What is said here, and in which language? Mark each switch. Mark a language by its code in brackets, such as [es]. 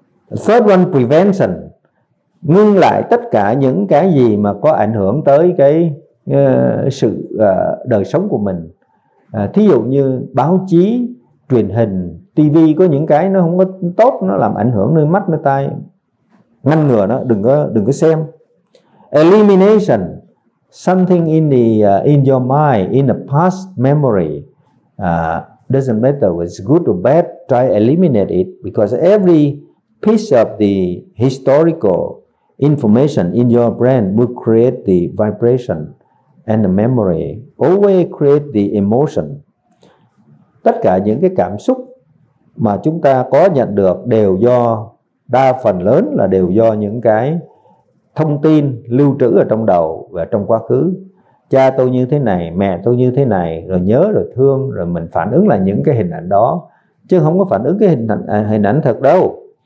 [en] Third one, prevention, [vi] ngưng lại tất cả những cái gì mà có ảnh hưởng tới cái sự đời sống của mình. Thí dụ như báo chí, truyền hình, TV có những cái nó không có tốt, nó làm ảnh hưởng nơi mắt, nơi tai, ngăn ngừa nó, đừng có xem. [en] Elimination, something in your mind, in the past memory, doesn't matter if it's good or bad, try eliminate it, because every piece of the historical information in your brain will create the vibration and the memory, always create the emotion. [vi] Tất cả những cái cảm xúc mà chúng ta có nhận được đều do, đa phần lớn là đều do những cái thông tin lưu trữ ở trong đầu và trong quá khứ. Cha tôi như thế này, mẹ tôi như thế này, rồi nhớ, rồi thương, rồi mình phản ứng là những cái hình ảnh đó, chứ không có phản ứng cái hình ảnh thật đâu.